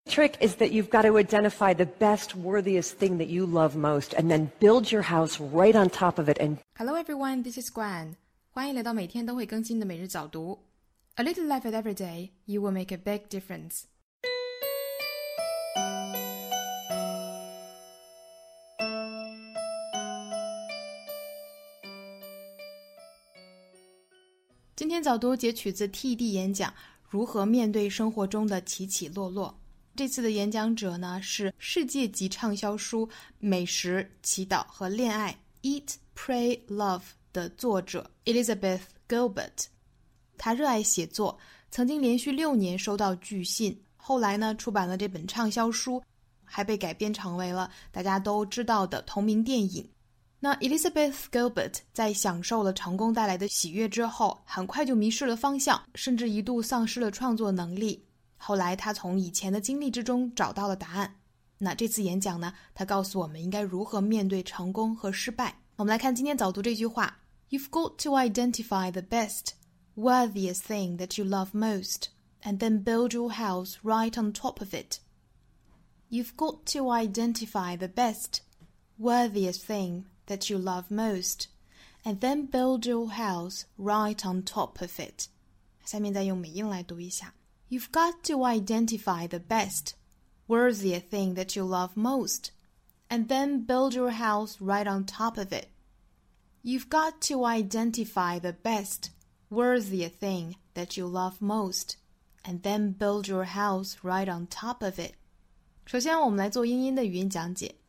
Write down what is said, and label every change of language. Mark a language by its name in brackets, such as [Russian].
[English] trick is that you've got to identify the best, worthiest thing that you love most, and then build your house right on top of it. And Hello everyone, this is Gwen. [Chinese] 欢迎来到每天都会更新的每日早读。 [English] A little effort every day, you will make a big difference. [Chinese] 早读截取自 TED 演讲《如何面对生活中的起起落落》。这次的演讲者呢是世界级畅销书《美食、祈祷和恋爱》（Eat, Pray, Love） 的作者 Elizabeth Gilbert。他热爱写作，曾经连续六年收到拒信，后来呢出版了这本畅销书，还被改编成为了大家都知道的同名电影。那 Elizabeth Gilbert 在享受了成功带来的喜悦之后，很快就迷失了方向，甚至一度丧失了创作能力。后来她从以前的经历之中找到了答案。那这次演讲呢，她告诉我们应该如何面对成功和失败。我们来看今天早读这句话 [English] You've got to identify the best, worthiest thing that you love most, and then build your house right on top of it. You've got to identify the best, worthiest thingthat you love most, and then build your house right on top of it. [Chinese] 下面再用美音来读一下。 [English] You've got to identify the best, worthiest thing that you love most, and then build your house right on top of it. You've got to identify the best, worthiest thing that you love most, and then build your house right on top of it. [Chinese] 首先我们来做英音的语音讲解。